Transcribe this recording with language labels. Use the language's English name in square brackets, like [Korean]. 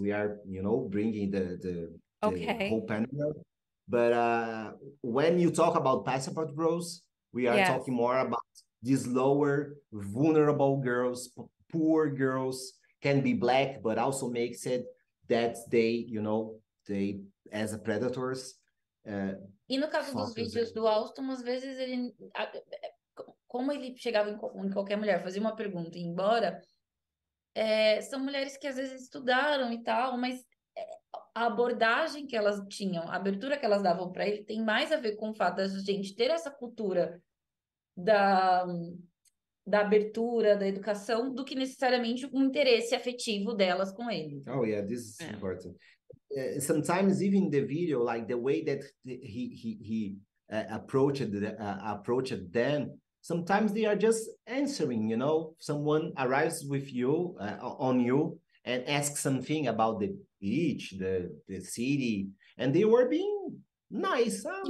[English] We are, you know, bringing the whole panel. But when you talk about passport bros, we are talking more about these lower, vulnerable girls, poor girls, can be black, but also makes it that they, you know, they, as a predators. [Portuguese] E no caso dos vídeos do Alston, às vezes ele, como ele chegava em qualquer mulher, fazia uma pergunta e embora, são mulheres que às vezes estudaram e tal, mas a abordagem que elas tinham, a abertura que elas davam para ele, tem mais a ver com o fato da gente ter essa cultura da abertura, da educação, do que necessariamente um interesse afetivo delas com ele. [English] Oh, yeah, this is important. Sometimes, even the video, like the way that he approached them, sometimes they are just answering, you know, someone arrives with you, on you, and ask something about the beach, the city, and they were being nice,